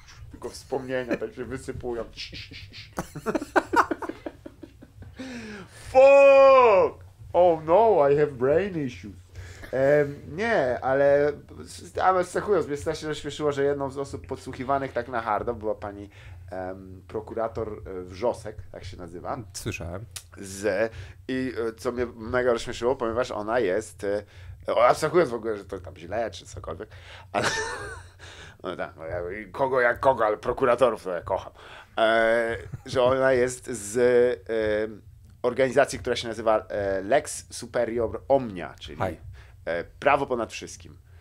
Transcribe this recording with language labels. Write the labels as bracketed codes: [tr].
[pl] Tylko wspomnienia tak się wysypują. [en] Fuck! Oh no, I have brain issues. [pl] Nie, ale cechując, mnie strasznie rozśmieszyło, że jedną z osób podsłuchiwanych tak na hardo była pani prokurator Wrzosek, tak się nazywa. Słyszałem. I co mnie mega rozśmieszyło, ponieważ ona jest, abstrahując w ogóle, że to tam źle, czy cokolwiek, ale no tak, no ja, kogo jak kogo, ale prokuratorów to ja kocham, że ona jest z organizacji, która się nazywa Lex Superior Omnia, czyli prawo ponad wszystkim.